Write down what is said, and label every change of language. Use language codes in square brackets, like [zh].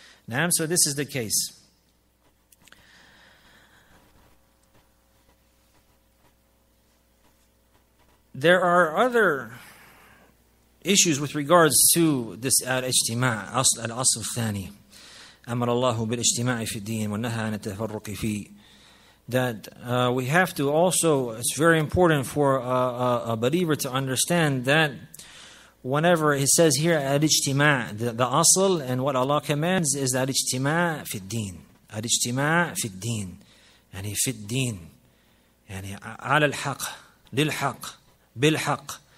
[en] Naam, so this is the case. There are other issues with regards to this al-ijtima' al-asl thani. [ar] أمر الله بالاجتماع في الدين ونهى عن التفرق فيه. [en] That we have to also, it's very important for a believer to understand that whenever it says here al-ijtima, the asl and what Allah commands is al-ijtima fi al-din. [ar] Al-ijtima fi al-din. يعني في الدين. يعني على الحق. للحق. بالحق.